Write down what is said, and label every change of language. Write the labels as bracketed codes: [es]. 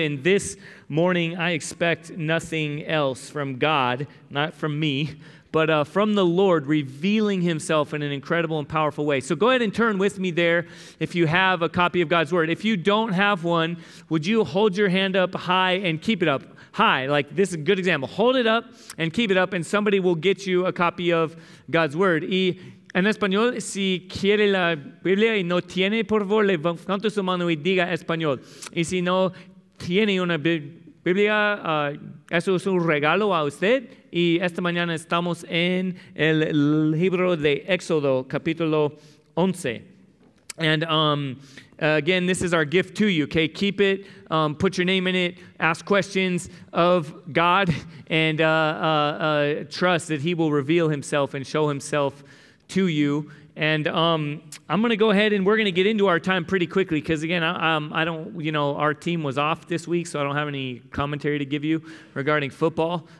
[en] And this morning, I expect nothing else from God, not from me, but from the Lord revealing himself in an incredible and powerful way. So go ahead and turn with me there if you have a copy of God's word. If you don't have one, would you hold your hand up high and keep it up high? Like, this is a good example. Hold it up and keep it up, and somebody will get you a copy of God's word. [es] Y en español, si quiere la Biblia y no tiene, por favor, levante su mano y diga español. Y si no tiene una Biblia, eso es un regalo a usted. Y esta mañana estamos en el libro de Éxodo, capítulo 11. [en] And again, this is our gift to you, okay? Keep it, put your name in it, ask questions of God, and trust that he will reveal himself and show himself to you. And I'm going to go ahead and we're going to get into our time pretty quickly because, again, I don't, you know, our team was off this week, so I don't have any commentary to give you regarding football.